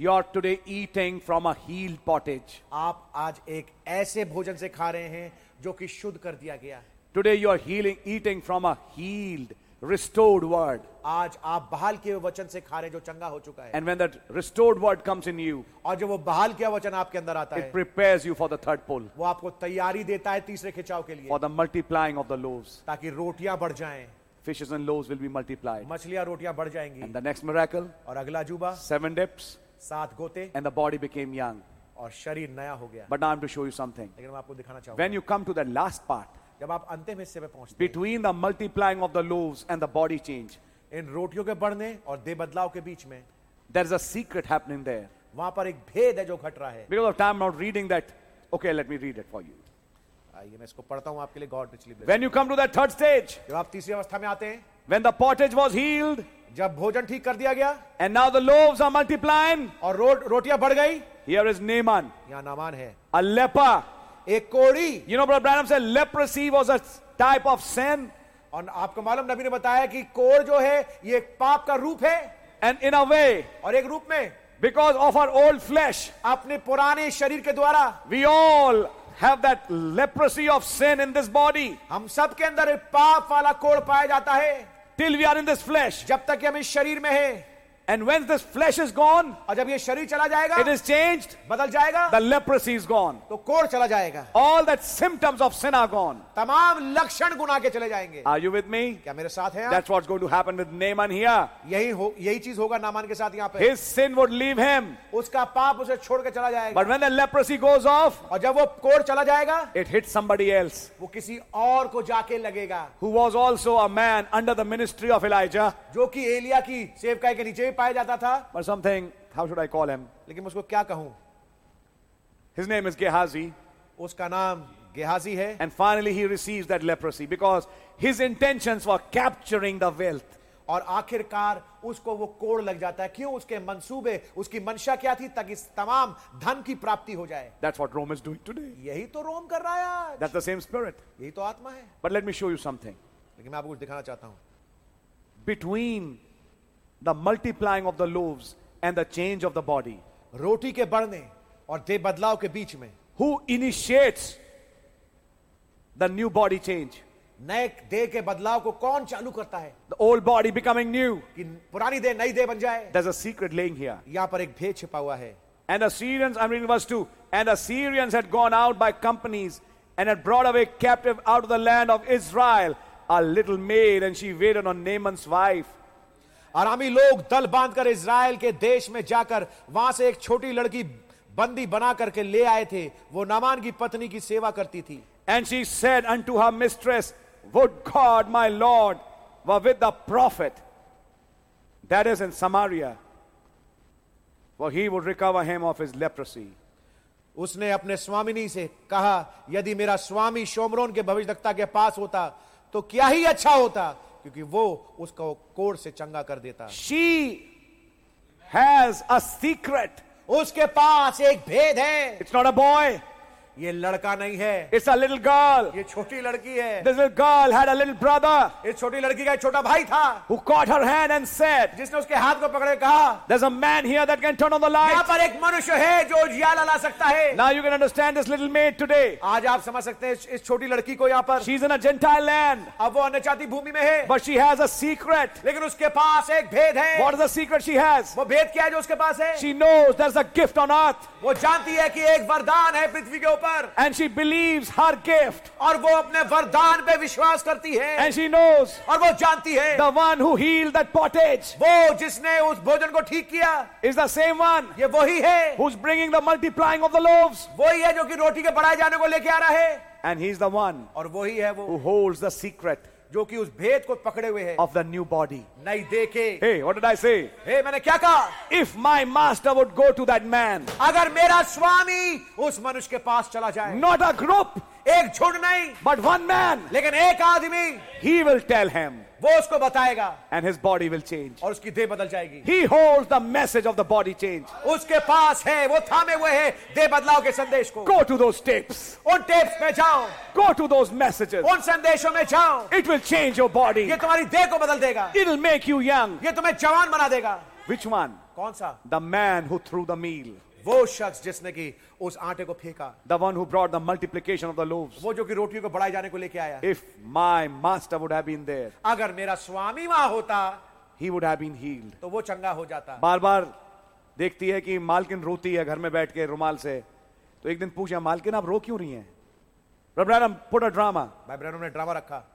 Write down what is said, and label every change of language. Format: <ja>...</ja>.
<en>You are today eating from a healed pottage.</en> <hi>आप आज एक ऐसे भोजन से खा रहे हैं जो कि शुद्ध कर दिया गया है.</hi> <en>Today you are healing, eating from a healed, restored word.</en> <hi>आज आप बहाल किए वचन से खा रहे हैं जो चंगा हो चुका है.</hi> <en>And when that restored word comes in you,</en> <hi>और जब वो बहाल किया वचन आपके अंदर आता है,</hi> <en>it prepares you for the third pull.</en> <hi>वो आपको तैयारी देता है तीसरे खिंचाव के लिए.</hi> <en>For the multiplying of the loaves.</en> <hi>ताकि रोटियां बढ़ जाएं.</hi> <en>Fishes and loaves will be multiplied.</en> <hi>मछलियां रोटियां बढ़ जाएंगी.</hi> <en>And the next miracle.</en> <hi>और अगला जुबा.</hi> <en>Seven dips.</en> <hi>सात गोते.</hi> <en>And the body became young.</en> <hi>और शरीर नया हो गया.</hi> <en>But now I'm to show you something.</en> <hi>लेकिन मैं आपको दिखाना चाहूँगा.</hi> <en>When you come to the last part.</en> <hi>जब आप अंतिम हिस्से पे पहुँचते.</hi> <en>Between the multiplying of the loaves and the body change.</en> <hi>इन रोटियों के बढ़ने और दे बदलाव के बीच में.</hi> <en>There's a secret happening there.</en> <hi>वहाँ पर एक भेद है जो घट रहा है.</hi> <en>Because of time, I'm not reading that. Okay, let me read it for you.</en> <hi>मैं इसको पढ़ता हूं आपके लिए. गॉड पिछली</hi> <en>बार. When you come to that third stage,</en> <hi>जब आप तीसरी अवस्था में आते हैं.</hi> <en>When the pottage was healed,</en> <hi>जब भोजन ठीक कर दिया गया.</hi> <en>And now the loaves are multiplying,</en> <hi>और रोटियां बढ़ गई.</hi> <en>Here is Naaman,</en> <hi>यहां नामान है.</hi> <en>A leper,</en> <hi>एक कोढ़ी.</hi> <en>You know, Brother Branham said leprosy was a type of sin.</en> <hi>और आपको मालूम नबी ने बताया कि कोढ़ जो है ये एक पाप का रूप है.</hi> <en>And in a way,</en> <hi>और एक रूप में.</hi> <en>Because of our old flesh,</en> <hi>अपने पुराने शरीर के द्वारा.</hi> <en>We all have that leprosy of sin in this body.</en> <hi>हम सब के अंदर एक पाप वाला कोढ़ पाया जाता है.</hi> <en>Till we are in this flesh.</en> <hi>जब तक हम इस शरीर में हैं.</hi> <en>And when this flesh is gone.</en> <hi>और जब ये शरीर चला जाएगा.</hi> <en>It is changed.</en> <hi>बदल जाएगा.</hi> <en>The leprosy is gone.</en> <hi>तो कोढ़ चला जाएगा.</hi> <en>All that symptoms of sin are gone.</en> <hi>तमाम लक्षण गुनाह के चले जाएंगे.</hi> <en>Are you with me?</en> <hi>क्या मेरे साथ हैं?</hi> <en>That's what's going to happen with Naaman here.</en> <hi>यही चीज होगा नामान के साथ यहाँ पे.</hi> <en>His sin would leave him.</en> <hi>उसका पाप उसे छोड़ के चला जाएगा.</hi> <en>But when the leprosy goes off.</en> <hi>और जब वो कोढ़ चला जाएगा.</hi> <en>It hits somebody else.</en> <hi>वो किसी और को जाके लगेगा.</hi> <en>Who was also a man under the ministry of Elijah.</en> <hi>जो कि एलिया की सेवकाई के नीचे पाया जाता था.</hi> <en>But something, how should I call him?</en> <hi>लेकिन उसको क्या कहूं?</hi> <en>His name is Gehazi.</en> <hi>उसका नाम Gehazi है.</hi> <en>And finally he receives that leprosy because his intentions were capturing the wealth.</en> <hi>और आखिरकार उसको वो कोड़ लग जाता है. क्यों? उसके मंसूबे, उसकी मंशा क्या थी? ताकि तमाम धन की प्राप्ति हो जाए.</hi> <en>That's what Rome is doing today.</en> <hi>यही तो रोम कर रहा है आज.</hi> <en>That's the same spirit.</en> <hi>यही तो आत्मा है.</hi> <en>But let me show you something.</en> <hi>लेकिन मैं आपको कुछ दिखाना चाहता हूं.</hi> <en>Between the multiplying of the loaves and the change of the body.</en> <hi>Roti ke badhne aur de badlav ke beech mein.</hi> <en>Who initiates the new body change?</en> <hi>Naye deh ke badlav ko kaun chalu karta hai?</hi> <en>The old body becoming new.</en> <hi>Ki purani deh nayi deh ban jaye.</hi> <en>There's a secret laying here.</en> <hi>Yahan par ek bhed chhipa hua hai.</hi> <en>And Assyrians, I'm reading verse 2. And Assyrians had gone out by companies and had brought away captive out of the land of Israel a little maid, and she waited on Naaman's wife.</en> <hi>आरामी लोग दल बांधकर Israel के देश में जाकर वहां से एक छोटी लड़की बंदी बना करके ले आए थे. वो नामान की पत्नी की सेवा करती थी.</hi> <en>And she said unto her mistress, Would God my Lord were with the prophet that is in Samaria, for he would recover him of his leprosy.</en> <hi>उसने अपने स्वामिनी से कहा, यदि मेरा स्वामी शोमरोन के भविष्यद्वक्ता के पास होता तो क्या ही अच्छा होता, क्योंकि वो उसका कोढ़ से चंगा कर देता.</hi> <en>She has a secret.</en> <hi>उसके पास एक भेद है.</hi> <en>It's not a boy.</en> <hi>ये लड़का नहीं है.</hi> <en>It's a little girl.</en> <hi>ये छोटी लड़की है.</hi> <en>This little girl had a little brother.</en> <hi>इस छोटी लड़की का एक छोटा भाई था.</hi> <en>Who caught her hand and said,</en> <hi>जिसने उसके हाथ को पकड़े कहा,</hi> <en>There's a man here that can turn on the light.</en> <hi>यहाँ पर एक मनुष्य है जो उजियाला ला सकता है.</hi> <en>Now you can understand this little maid today.</en> <hi>आज आप समझ सकते हैं इस छोटी लड़की को यहाँ पर.</hi> <en>She's in a Gentile land.</en> <hi>अब वो अन्य जाति भूमि में है.</hi> <en>But she has a secret.</en> <hi>लेकिन उसके पास एक भेद है.</hi> <en>What is the secret she has?</en> <hi>वो भेद क्या है जो उसके पास है?</hi> <en>She knows there's a gift on earth.</en> <hi>वो जानती है कि एक वरदान है पृथ्वी के ऊपर.</hi> <en>And she believes her gift.</en> <hi>और वो अपने वरदान पे विश्वास करती है.</hi> <en>And she knows.</en> <hi>और वो जानती है.</hi> <en>The one who healed that pottage.</en> <hi>वो जिसने उस भोजन को ठीक किया.</hi> <en>Is the same one.</en> <hi>ये वही है.</hi> <en>Who's bringing the multiplying of the loaves.</en> <hi>वही है जो कि रोटी के बढ़ाए जाने को लेके आ रहा है.</hi> <en>And he's the one.</en> <hi>और वही है वो.</hi> <en>Who holds the secret.</en> <hi>जो कि उस भेद को पकड़े हुए है.</hi> <en>Of the new body.</en> <hi>नहीं देखे.</hi> <en>Hey, what did I say?</en> <hi>Hey, मैंने क्या कहा?</hi> <en>If my master would go to that man.</en> <hi>अगर मेरा स्वामी उस मनुष्य के पास चला जाए.</hi> <en>Not a group.</en> <hi>एक झुंड नहीं.</hi> <en>But one man.</en> <hi>लेकिन एक आदमी.</hi> <en>He will tell him.</en> <hi>वो उसको बताएगा.</hi> <en>And his body will change.</en> <hi>और उसकी देह बदल जाएगी.</hi> <en>He holds the message of the body change.</en> <hi>उसके पास है, वो थामे हुए है देह बदलाव के संदेश को.</hi> <en>Go to those tapes.</en> <hi>उन टेप्स में जाओ.</hi> <en>Go to those messages.</en> <hi>उन संदेशों में जाओ.</hi> <en>It will change your body.</en> <hi>ये तुम्हारी देह को बदल देगा.</hi> <en>It'll make you young.</en> <hi>ये तुम्हें जवान बना देगा.</hi> <en>Which one?</en> <hi>कौन सा?</hi> <en>The man who threw the meal.</en> <hi>वो शख्स जिसने कि उस आटे को फेंका.</hi> <en>The one who brought the multiplication of the loaves.</en> <hi>वो जो कि रोटियों को बढ़ाए जाने को लेके आया.</hi> <en>If my master would have been there.</en> <hi>अगर मेरा स्वामी वहां होता.</hi> <en>He would have been healed.</en> <hi>तो वो चंगा हो जाता. बार बार देखती है कि मालकिन रोती है घर में बैठ के रुमाल से. तो एक दिन पूछा, मालकिन आप रो क्यों रही हैं?</hi> <en>Brother Branham put a drama.</en> <hi>भाई ब्रैनम ने ड्रामा रखा.</hi>